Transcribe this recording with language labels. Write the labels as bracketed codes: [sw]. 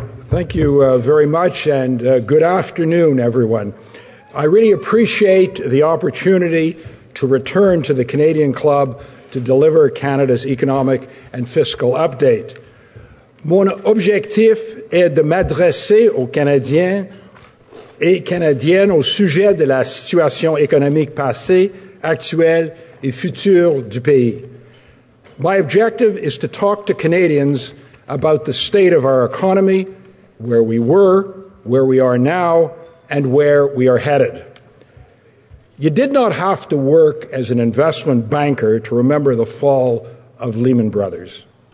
[en] Thank you very much, and good afternoon, everyone. I really appreciate the opportunity to return to the Canadian Club to deliver Canada's economic and fiscal update. [fr] Mon objectif est de m'adresser aux Canadiens et Canadiennes au sujet de la situation économique passée, actuelle et future du pays. [en] My objective is to talk to Canadians about the state of our economy, where we were, where we are now, and where we are headed. You did not have to work as an investment banker to remember the fall of Lehman Brothers.